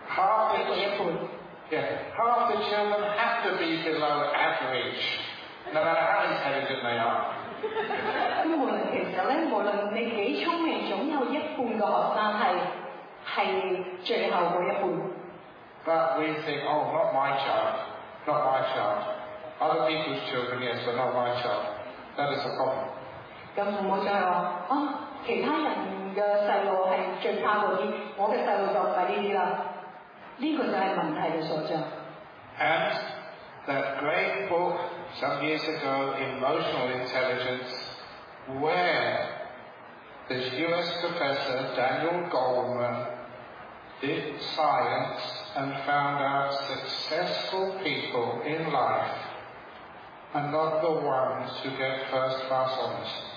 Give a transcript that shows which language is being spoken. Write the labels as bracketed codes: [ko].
[yue] 超過一半香港嘅小朋友係一半嘅智能，超過一半。Yeah, [en] half the children have to be below average. No matter how intelligent they are. [yue] 無論其實咧，無論你幾聰明，總有一半嘅學生係最後嗰一半。 [en] But we think, oh, not my child, not my child. Other people's children, yes, but not my child. That is a problem. [yue] 咁父母就係話，啊，其他人嘅細路係最差嗰啲，我嘅細路就唔係呢啲啦。呢個就係問題嘅所在。 [en] And that great book some years ago, Emotional Intelligence, where this US professor, Daniel Goleman, did science and found out successful people in life are not the ones who get first class honors.